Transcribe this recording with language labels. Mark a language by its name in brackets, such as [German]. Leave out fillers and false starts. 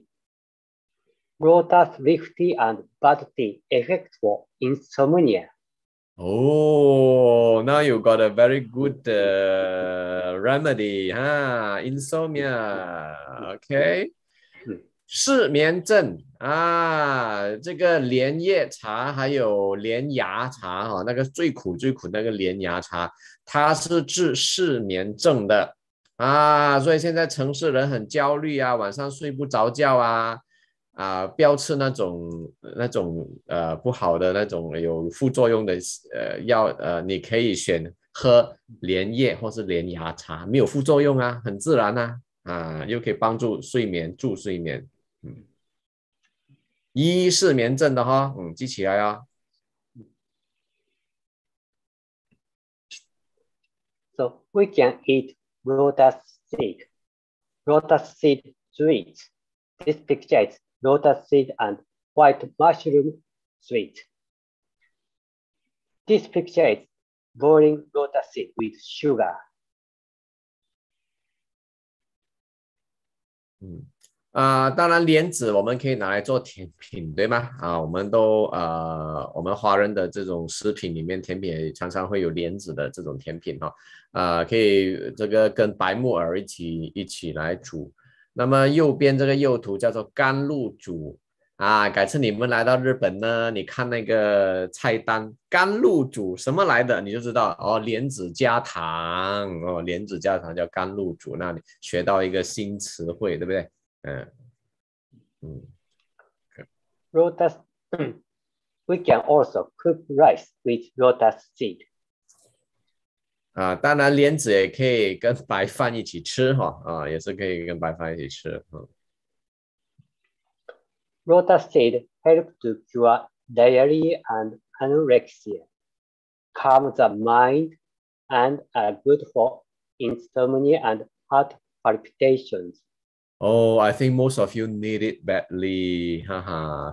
[English] Okay, lotus leaf tea and bud tea effect for insomnia. Oh, now you got a very good remedy, huh? Insomnia. Okay. [Chinese] 失眠症啊，这个莲叶茶还有莲芽茶哈、啊，那个最苦最苦那个莲芽茶，它是治失眠症的啊，所以现在城市人很焦虑啊，晚上睡不着觉啊，不要吃那种不好的那种有副作用的药你可以选喝莲叶或是莲芽茶，没有副作用啊，很自然啊。又可以帮助睡眠助睡眠一失眠症的哈记起来啊 [English] So we can eat lotus seed sweet This picture is lotus seed and white mushroom sweet This picture is boiling lotus seed with sugar [Chinese] 当然莲子我们可以拿来做甜品对吗我们都我们华人的这种食品里面甜品也常常会有莲子的这种甜品可以这个跟白木耳一起来煮那么右边这个右图叫做甘露煮改次你们来到日本呢你看那个菜单甘露煮什么来的你就知道哦莲子加糖哦莲子加糖叫甘露煮那你学到一个新词汇对不对 [English] Lotus, we can also cook rice with lotus seed. [Chinese] 啊，当然莲子也可以跟白饭一起吃哈，啊，也是可以跟白饭一起吃。 [English] Lotus seed help to cure diarrhea and anorexia, calm the mind, and are good for insomnia and heart palpitations. Oh, I think most of you need it badly. Haha.